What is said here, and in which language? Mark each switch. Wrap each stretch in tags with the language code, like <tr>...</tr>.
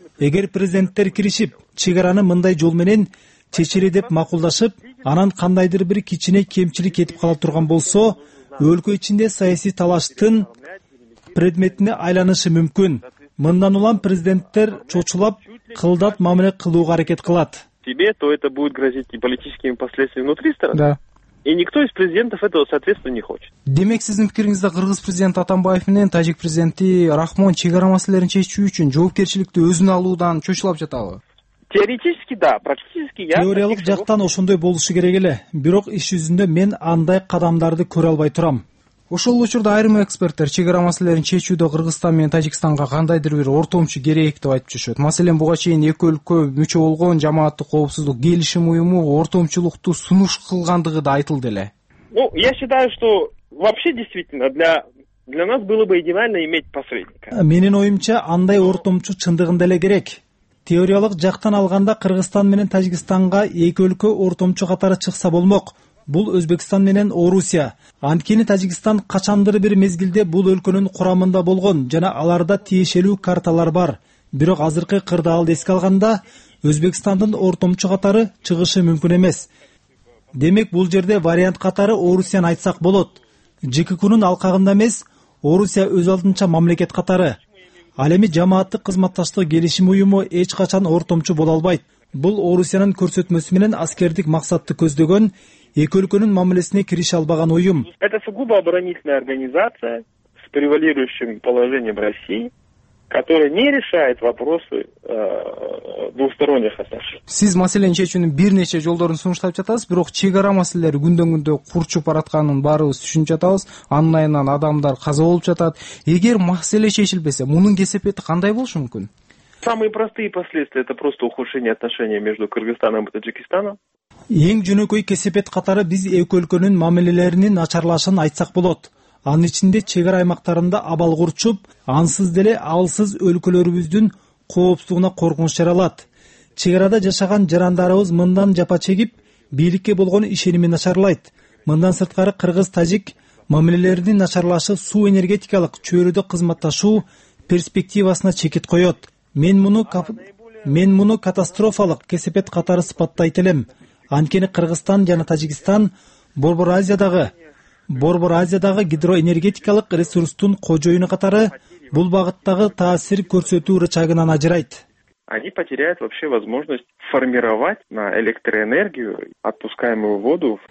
<ky>Эгер президенттер киришип, чек араны мындай жол менен чечили деп макулдашып, анан кандайдыр бир кичине кемчилик кетип кала турган болсо, өлкө ичинде саясий талаштын предметине айланышы мүмкүн. Мындан улам президенттер чочулап, кылдат мамиле кылууга аракет кылат.</ky> <ru>Тебе, то это будет грозить и политическими последствиями внутри страны. Да. И никто из президентов этого, соответственно, не хочет.</ru> <ky>Демек, сиздин пикириңизде кыргыз президент Атамбаев менен тажик президенти Рахмон чегара маселелерин чечүү үчүн жоопкерчиликти өзүнө алуудан чочулап жатабы?</ky> <ru>Теоретически да, практически я...</ru> <ky>Теориялык жактан ошондой болушу керек эле, бирок иш жүзүндө мен андай кадамдарды көрө албай турам. Ошол учурда айрым эксперттер чегара маселелерин чечүүдө Кыргызстан менен Тажикстанга кандайдыр бир ортомчу керек деп айтып жүрүшөт. Маселен, буга чейин эки өлкө мүчө болгон жамааттык коопсуздук келишим уюму ортомчулукту сунуш кылгандыгы да айтылды эле.</ky> <ru>Ну, я считаю, что вообще действительно для нас было бы идеально иметь посредника.</ru> <ky>Менин оюмча андай ортомчу чындыгында эле керек. Теориялык жактан алганда Кыргызстан менен Тажикстанга эки өлкө ортомчу катары чыкса болмок. Бул Өзбекстан менен Орусия. Анткени Тажикстан качандыр бир мезгилде бул өлкөнүн курамында болгон жана аларда тиешелүү карталар бар. Бирок азыркы кырдаалды эске алганда Өзбекстандын ортомчу катары чыгышы мүмкүн эмес. Демек бул жерде вариант катары Орусияны айтсак болот. ЖККнын алкагында эмес, Орусия өз алдынча мамлекет катары. Ал эми жамааттык кызматташтык келишим уюму эч качан ортомчу боло албайт. Бул Орусиянын көрсөтмөсү менен аскердик максатты көздөгөн эки өлкөнүн мамилесине кириши албаган уюм.</ky> <ru>Это сугубо оборонительная организация с превалирующим положением России, которая не решает вопросы двусторонних отношений.</ru> <ky>Сиз маселени чечүүнүн бир нече жолдорун сунуштап жатасыз, бирок чек ара маселелери күндөн-күндө курчуп баратканын баарыбыз түшүнүп жатабыз. Анын айынан адамдар каза болуп жатат. Эгер маселе чечилбесе, мунун кесепети кандай болушу мүмкүн?</ky> <ru>Самые простые последствия — это просто ухудшение отношений между Кыргызстаном и Таджикистаном.</ru> <ky>Эң жөнөкөй кесепет катары биз эки өлкөнүн мамилелеринин начарлашын айтсак болот. Анын ичинде чек ара аймактарында абал курчуп, ансыз деле алсыз өлкөлөрүбүздүн коопсуздугуна коркунуч жаралат. Чек арада жашаган жарандарыбыз мындан жапа чегип, бийликке болгон ишенимин начарлайт. Мындан сырткары кыргыз тажик мамилелеринин начарлашы суу энергетикалык чөйрөдө кызматташуу перспективасына чекит коет. Мен муну катастрофалык кесепет катары сыпаттайт элем. Анткени Кыргызстан жана Тажикстан Борбор Азиядагы гидроэнергетикалык ресурстун кожоюну катары бул багыттагы таасир көрсөтүү рычагынан ажырайт.</ky> <ru>Они потеряют вообще возможность формировать на электроэнергию отпускаемую воду.</ru>